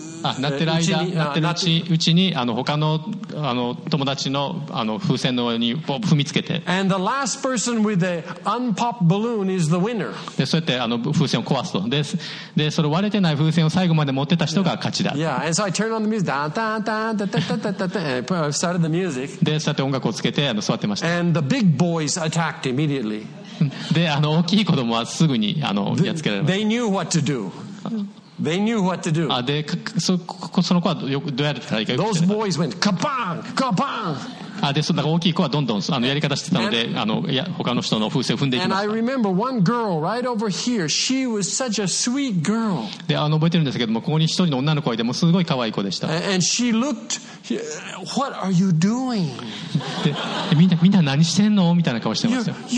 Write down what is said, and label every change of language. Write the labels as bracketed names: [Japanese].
[Japanese] 鳴ってる間、鳴ってるうちに、他の、友達の、風船の上に踏みつけて。 [English] And the last person with the unpopped balloon is the winner. [Japanese] で、そうやって、風船を壊すと。で、それ割れてない風船を最後まで持ってた人が勝ちだ。 [English] Yeah, and so I turned on the music. started the music. [Japanese] で、そうやって音楽をつけて、座ってました。 [English] And the big boys attacked immediately. [Japanese] で、大きい子供はすぐに、やっつけられました。 [English] They knew what to do. They knew what to do. [Japanese] で、その子はどうやったらいいか。 [English] Those boys went kabang, kabang. [Japanese] で、その大きい子はどんどんやり方してたので、他の人の風船を踏んでいきました。 [English] And I remember one girl right over here. She was such a sweet girl. [Japanese] で、覚えてるんですけども、ここに一人の女の子がいて、もうすごい可愛い子でした。 [English] And she looked, what are you doing? [Japanese] で、みんな何してんのみたいな顔してますよ。